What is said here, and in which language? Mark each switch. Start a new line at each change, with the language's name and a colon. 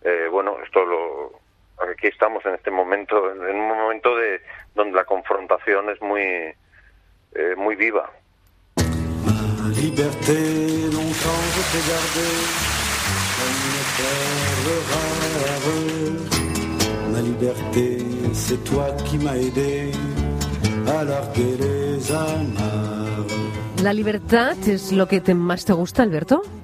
Spanish: Bueno, esto lo aquí estamos en este momento, en un momento de donde la confrontación es muy muy viva.
French: Ma liberté, longtemps je t'ai gardé, comme une terre rare. Ma liberté, c'est toi qui m'as aidé à larguer les amarres.
Spanish: ¿La libertad es lo que más te gusta, Alberto?